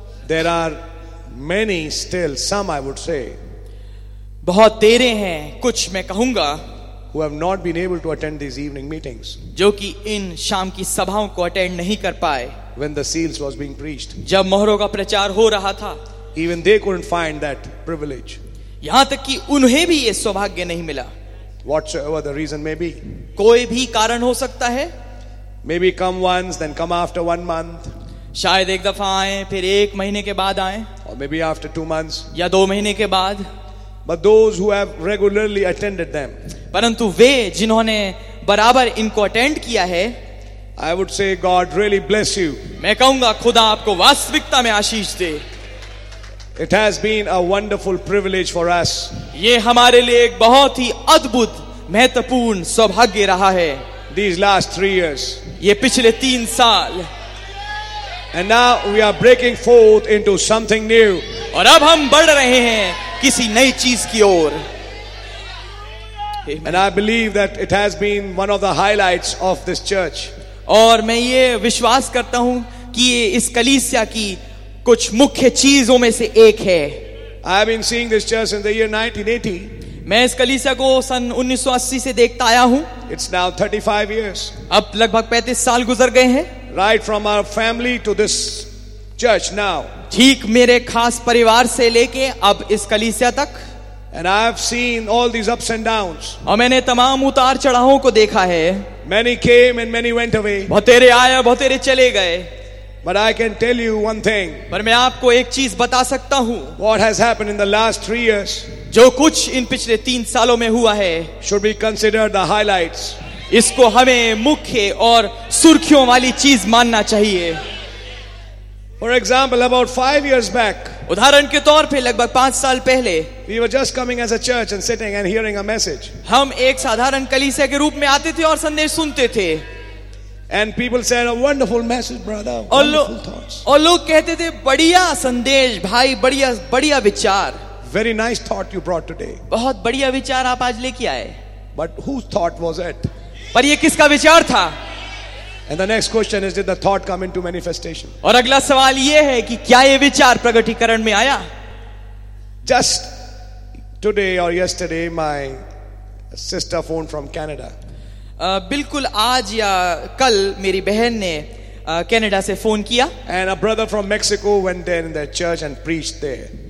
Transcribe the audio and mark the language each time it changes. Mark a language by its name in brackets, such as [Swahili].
[English] there are many still, some I would say, [Hindi] बहुत देरे हैं कुछ मैं कहूंगा, [English] who have not been able to attend these evening meetings, [Hindi] जो कि इन शाम की सभाओं को अटेंड नहीं कर पाए, [English] when the seals was being preached, [Hindi] जब मोहरों का प्रचार हो रहा था, [English] even they couldn't find that privilege, [Hindi] यहां तक कि उन्हें भी ये सौभाग्य नहीं मिला, [English] whatsoever the reason may be, [Hindi] कोई भी कारण हो सकता है, [English] maybe come once, then come after 1 month, [Hindi] शायद एक दफा आए फिर एक महीने के बाद आए, [English] or maybe after 2 months, [Hindi] या दो महीने के बाद, [English] but those who have regularly attended them, [Hindi] परंतु वे जिन्होंने बराबर इनको अटेंड किया है, [English] I would say God really bless you, [Hindi] मैं कहूंगा खुदा आपको वास्तविकता में आशीष दे। [English] It has been a wonderful privilege for us, [Hindi] ये हमारे लिए एक बहुत ही अद्भुत महत्वपूर्ण सौभाग्य रहा है, [English] these last 3 years, [Hindi] ये पिछले 3 साल, [English] And now we are breaking forth into something new. [Hindi] और अब हम बढ़ रहे हैं किसी नई चीज की ओर। [English] And I believe that it has been one of the highlights of this church. [Hindi] और मैं ये विश्वास करता हूँ कि ये इस कलीसिया की कुछ मुख्य चीजों में से एक है। [English] I have been seeing this church in the year 1980. [Hindi] मैं इस कलीसिया को सन 1980 से देखता आया हूँ। [English] It's now 35 years. [Hindi] अब लगभग 35 साल गुजर गए हैं। [English] Right from our family to this church now. [Hindi] ठीक मेरे खास परिवार से लेके अब इस कलीसिया तक। [English] And I have seen all these ups and downs. [Hindi] और मैंने तमाम उतार चढ़ावों को देखा है। [English] Many came and many went away. [Hindi] बहुतेरे आए बहुतेरे चले गए। [English] But I can tell you one thing. [Hindi] पर मैं आपको एक चीज बता सकता हूँ। [English] What has happened in the last 3 years? [Hindi] जो कुछ इन पिछले 3 सालों में हुआ है। [English] Should be considered the highlights. [Hindi] इसको हमें मुख्य और सुर्खियों वाली चीज मानना चाहिए। [English] For example, about 5 years back. [Hindi] उदाहरण के तौर पे लगभग 5 साल पहले। [English] We were just coming as a church and sitting and hearing a message. [Hindi] हम एक साधारण कलीसिया के रूप में आते थे और संदेश सुनते थे। [English] And people said a wonderful message, brother. Wonderful thoughts. [Hindi] और लोग कहते थे बढ़िया संदेश भाई बढ़िया बढ़िया विचार। [English] Very nice thought you brought today. [Hindi] बहुत बढ़िया विचार आप आज लेके आए। [English] But whose thought was it? [Hindi] पर ये किसका विचार था? [English] And the next question is, did the thought come into manifestation? [Hindi] और अगला सवाल ये है कि क्या ये विचार प्रगटीकरण में आया? [English] Just today or yesterday, my sister phoned from Canada. [Hindi] बिल्कुल आज या कल मेरी बहन ने कनाडा से फोन किया. [English] And a brother from Mexico went there in their church and preached there.